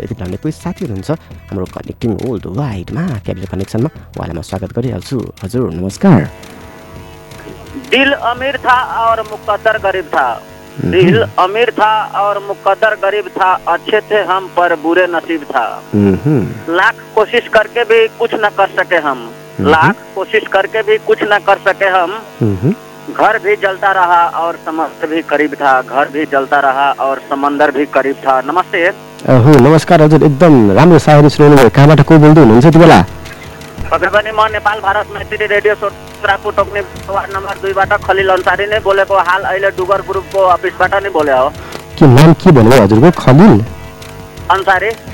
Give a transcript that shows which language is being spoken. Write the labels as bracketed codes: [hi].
[ne] यति हामीले कोही साथी हुनुहुन्छ हाम्रो कनेक्टिङ होल्ड वाइडमा क्यापिटल कनेक्सनमा, उहाँलाई म स्वागत गरिहाल्छु। हजुर नमस्कार। [hi] दिल अमीर था और मुकद्दर गरीब था, दिल अमीर था और मुकद्दर गरीब था, अच्छे थे हम पर बुरे नसीब था। लाख कोशिश करके भी कुछ न कर सके हम, लाख कोशिश करके भी कुछ न कर सके हम, घर भी जलता रहा और समंदर भी करीब था, घर भी जलता रहा और समंदर भी करीब था। [ne] नमस्ते। नमस्कार हजुर, एकदम राम्रो सायरी सुन्नु भयो। कहाँबाट को बोल्दै हुनुहुन्छ त्यो बेला? नेपाल भारत मैत्री radio सोरापुर टोक्ने ward number 2 Khalil Ansari नै बोलेको, हाल अहिले डुगर ग्रुपको अफिसबाट नै बोले हो। के नाम के भन्नु हजुरको? खलिल अन्सारी।